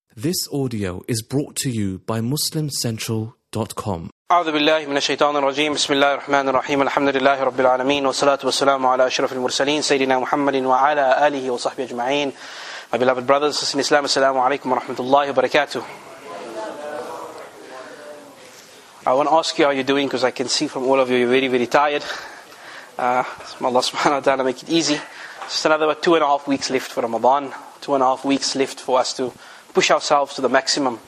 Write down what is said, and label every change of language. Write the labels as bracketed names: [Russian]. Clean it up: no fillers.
[English] This audio is brought to you by MuslimCentral.com. [Arabic] أعوذ بالله من الشيطان الرجيم بسم الله الرحمن الرحيم الحمد لله رب العالمين والصلاة والسلام على أشرف المرسلين سيدنا محمد وعلى آله وصحبه أجمعين. [English] My beloved brothers in Islam, [Arabic] السلام عليكم ورحمة الله وبركاته. [English] I want to ask you how you're doing because I can see from all of you you're very very tired. May Allah subhanahu wa ta'ala make it easy. Just another about 2.5 weeks left for Ramadan. 2.5 weeks left for us to push ourselves to the maximum.